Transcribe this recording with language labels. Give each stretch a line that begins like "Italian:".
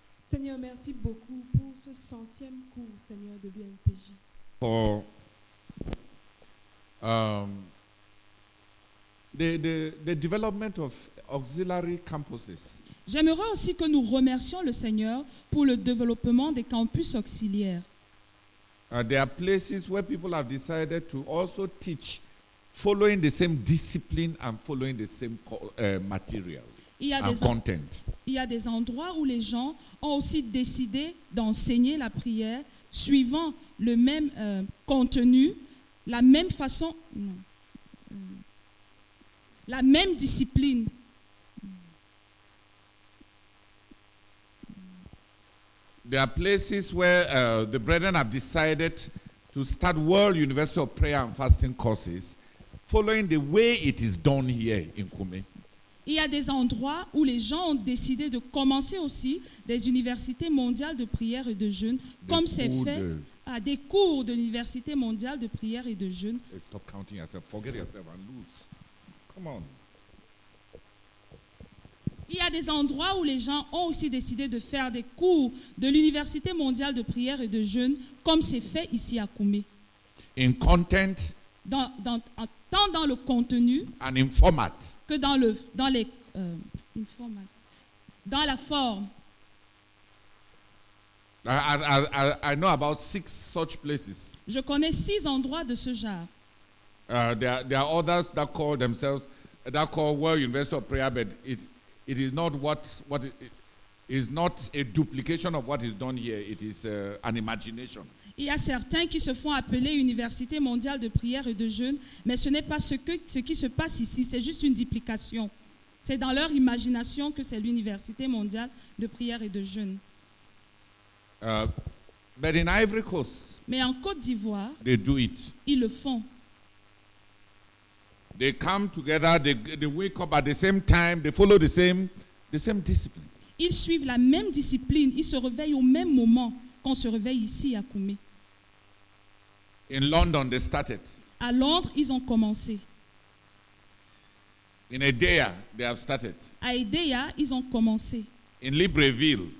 French: Seigneur, merci beaucoup pour ce 100e cours, Seigneur, de BMPJ.
English: For the development of auxiliary campuses.
French: J'aimerais aussi que nous remercions le Seigneur pour le développement des campus auxiliaires.
English: There are places where people have decided to also teach following the same discipline and following the same material.
French: Il y a des endroits où les gens ont aussi décidé d'enseigner la prière suivant le même contenu, la même façon, la même discipline.
English: There are places where the brethren have decided to start World University of Prayer and Fasting courses following the way it is done here in Kume.
French: Il y a des endroits où les gens ont décidé de commencer aussi des universités mondiales de prière et de jeûne, comme c'est fait à des cours de l'université mondiale de prière et de jeûne.
English: Stop counting yourself. Forget yourself and lose. Come on.
French: Il y a des endroits où les gens ont aussi décidé de faire des cours de l'université mondiale de prière et de jeûne, comme c'est fait ici à Koumé.
English: In content.
French: Tant dans le contenu
English: and in format.
French: Que dans le dans les
English: in format.
French: Dans la forme.
English: I know about six such places.
French: Je connais six endroits de ce genre.
English: There are others that call themselves that call World University of Prayer, but it is not what it is not a duplication of what is done here. It is an imagination.
French: Il y a certains qui se font appeler Université mondiale de prière et de jeûne, mais ce n'est pas ce qui se passe ici, c'est juste une duplication. C'est dans leur imagination que c'est l'Université mondiale de prière et de jeûne.
English: But in Ivory Coast,
French: mais en Côte d'Ivoire,
English: they do it.
French: Ils le font.
English: They come together, they wake up at the same time, they follow the same discipline.
French: Ils suivent la même discipline, ils se réveillent au même moment. Qu'on se réveille ici à Koumé.
English: In London, they started.
French: À Londres, ils ont commencé.
English: In Edea, they have started.
French: À Edea, ils ont commencé.
English: In Libreville.